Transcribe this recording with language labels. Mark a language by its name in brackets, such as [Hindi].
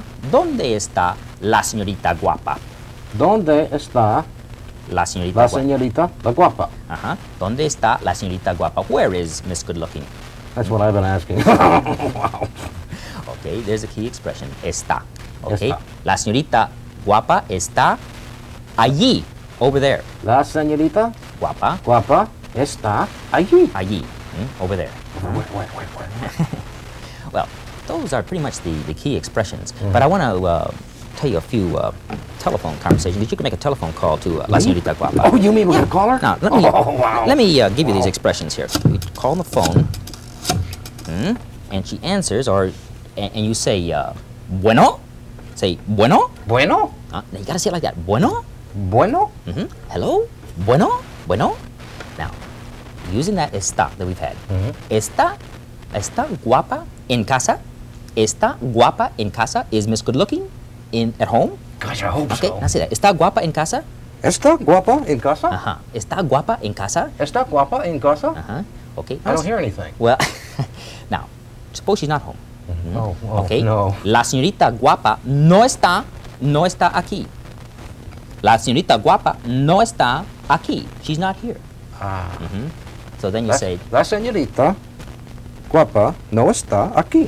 [Spanish] ¿Dónde está la señorita guapa? ¿Dónde está La señorita guapa. Uh-huh. ¿Dónde está la señorita guapa? [English] Where is Miss Good Looking? That's what I've been asking. Okay, there's a key expression. [Spanish] Está. Okay. Está. La señorita guapa está allí. [English] Over there. [Spanish] La señorita guapa. Guapa está allí. [English] Allí. Mm? Over there. Where? Well, Those are pretty much the key expressions. Mm-hmm. But I want to tell you a few telephone conversations, because you can make a telephone call to La Señorita Guapa. Oh, you mean we're going to call her? Now, let me, give you these expressions here. We call on the phone, and she answers, and you say, bueno? Say, bueno? [Spanish] Bueno? [English] Now, you got to say it like that. [Spanish] Bueno? Bueno? Mm-hmm. Hello? Bueno? Bueno? [English] Now, using that está that we've had, [Spanish] está guapa en casa? Está guapa en casa? [English] Is Miss Good Looking at home? Gosh, I hope so. Now say that. [Spanish] Está guapa en casa? Está guapa en casa? Uh-huh. Está guapa en casa? Está guapa en casa? Uh-huh. Okay. [English] I don't hear anything. Well, now, suppose she's not home. Mm-hmm. Oh, okay. [Spanish] No. La señorita guapa no está aquí. La señorita guapa no está aquí. [English] She's not here. Ah. Mm-hmm. So then you say, [Spanish] La señorita guapa no está aquí.